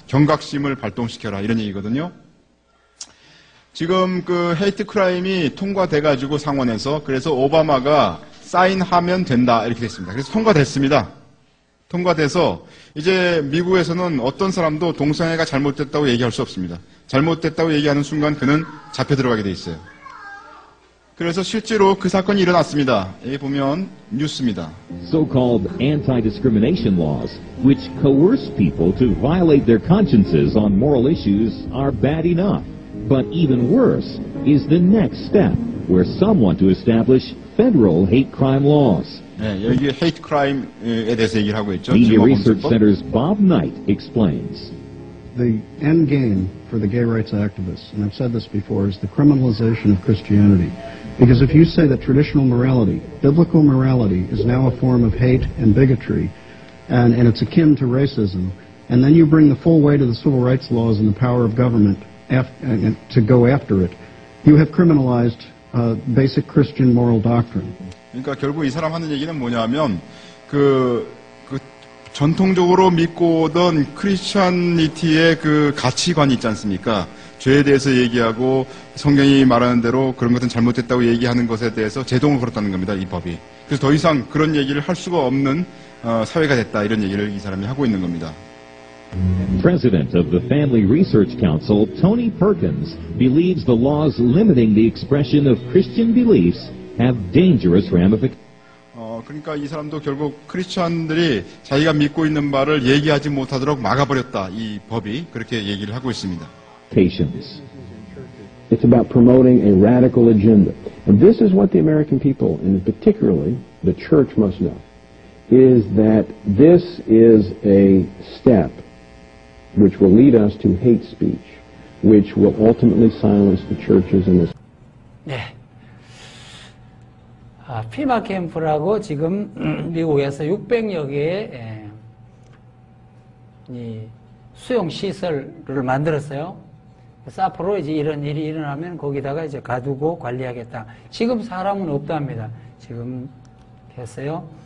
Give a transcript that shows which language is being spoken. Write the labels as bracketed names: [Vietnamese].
[Korean] 경각심을 발동시켜라 이런 얘기거든요. 지금 그 헤이트 크라임이 통과돼가지고 상원에서 그래서 오바마가 사인하면 된다 이렇게 됐습니다. 그래서 통과됐습니다. 통과돼서 이제 미국에서는 어떤 사람도 동성애가 잘못됐다고 얘기할 수 없습니다. 잘못됐다고 얘기하는 순간 그는 잡혀 들어가게 돼 있어요. 그래서 실제로 그 사건이 일어났습니다. 여기 보면 뉴스입니다. [English] So-called anti-discrimination laws, which coerce people to violate their consciences on moral issues, are bad enough. But even worse is the next step, where some want to establish federal hate crime laws. [Korean] 네, 여기 hate crime에 대해서 얘기를 하고 있죠. [English] Media Research Center's Bob Knight explains. The end game for the gay rights activists, and I've said this before, is the criminalization of Christianity. Because if you say that traditional morality, biblical morality, is now a form of hate and bigotry, and it's akin to racism, and then you bring the full weight of the civil rights laws and the power of government to go after it, you have criminalized basic Christian moral doctrine. [Korean] 그러니까 결국 이 사람 하는 얘기는 뭐냐면 전통적으로 믿고 오던 크리스천니티의 그 가치관이 있지 않습니까? 죄에 대해서 얘기하고 성경이 말하는 대로 그런 것은 잘못됐다고 얘기하는 것에 대해서 제동을 걸었다는 겁니다, 이 법이. 그래서 더 이상 그런 얘기를 할 수가 없는 사회가 됐다, 이런 얘기를 이 사람이 하고 있는 겁니다. [English] President of the Family Research Council, Tony Perkins, believes the laws limiting the expression of Christian beliefs have dangerous ramifications. [Korean] 그러니까 이 사람도 결국 크리스천들이 자기가 믿고 있는 말을 얘기하지 못하도록 막아버렸다, 이 법이 그렇게 얘기를 하고 있습니다. [English] It's about promoting a radical agenda. And this is what the American people, and particularly the church, must know, is that this is a step which will lead us to hate speech, which will ultimately silence the churches in this. [Korean] 네. 피마 캠프라고 지금 미국에서 600여 개의 이 수용 시설을 만들었어요. 그래서 앞으로 이제 이런 일이 일어나면 거기다가 이제 가두고 관리하겠다. 지금 사람은 없답니다. 지금 했어요.